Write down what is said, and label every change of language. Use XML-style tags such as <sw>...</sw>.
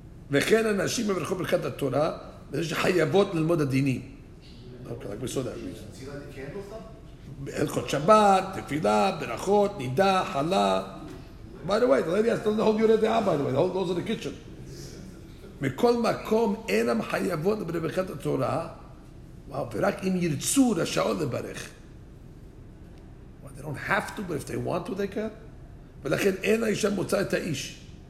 <he>וכן הנשים מברכות ברכת התורה, ויש חייבות ללמוד הדינים.</he> <en>Okay, like we saw that reason.</en> <he>הלכות שבת, תפילה, ברכות, נידה, חלה.</he> <en>By the way, the lady has to hold your day, by the way, hold those in the kitchen.</en> <he>מכל מקום אינם חייבות ברכת התורה, ורק אם ירצו רשאות לברך.</he> <en>They don't have to, but if they want to, they can.</en> <he>ולכן אין האישה מוצא את האיש.</he>